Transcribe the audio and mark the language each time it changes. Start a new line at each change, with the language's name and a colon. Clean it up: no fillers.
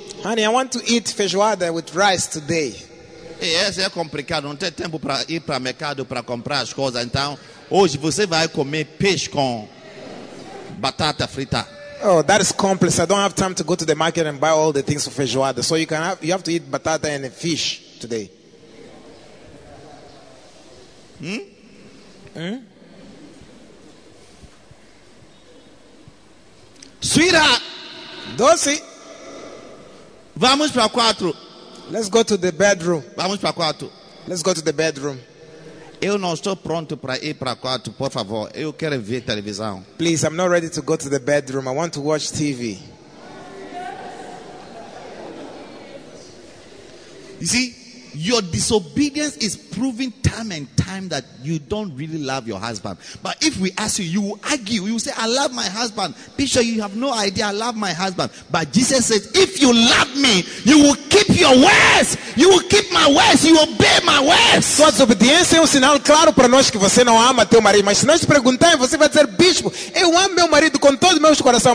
English: Honey, I want to eat feijoada with rice today.
Portuguese: Esse é complicado. Não tem tempo para ir para mercado para comprar as coisas. Então, hoje você vai comer peixe com batata frita.
English: Oh, that is complex. I don't have time to go to the market and buy all the things for feijoada. So you have to eat batata and fish today. Sweetheart.
Portuguese: Doce. Vamos para quatro.
English: Let's go to the bedroom.
Portuguese: Vamos para quatro.
English: Let's go to the bedroom.
Portuguese: Eu não estou pronto para ir para o quarto, por favor. Eu quero ver televisão.
English: Please, I'm not ready to go to the bedroom. I want to watch TV. You see, your disobedience is proving time and time that you don't really love your husband. But if we ask you, you will argue. You will say, I love my husband. Bishop, you have no idea. I love my husband. But Jesus says, if you love me, you will keep your words. You will keep my words. You will obey my words.
Portuguese: Sua desobediência é sinal claro para nós que você não ama teu marido. Mas se nós te perguntarmos, você vai dizer, Bispo, eu amo meu marido com todo o meu coração.